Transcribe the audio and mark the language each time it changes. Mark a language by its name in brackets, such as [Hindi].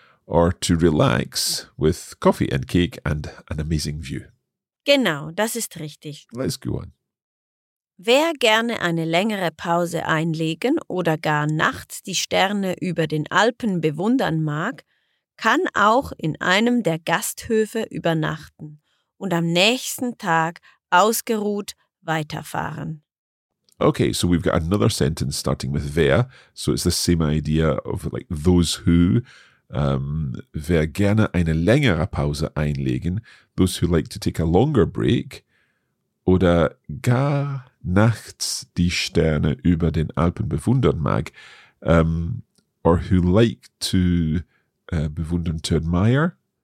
[English] Or to relax with coffee and cake and an amazing view. [German] Genau, das ist richtig. [English] Let's go on. [German] Wer gerne eine längere Pause einlegen oder gar nachts die Sterne über den Alpen bewundern mag, kann auch in einem der Gasthöfe übernachten und am nächsten Tag ausgeruht weiterfahren. [English] Okay, so we've got another sentence starting with wer. So it's the same idea of like those who... [German] Wer gerne eine längere Pause einlegen, [English] those who like to take a longer break, [German] oder gar nachts die Sterne über den Alpen bewundern mag, [English] or who like to [German] bewundern [English] to admire.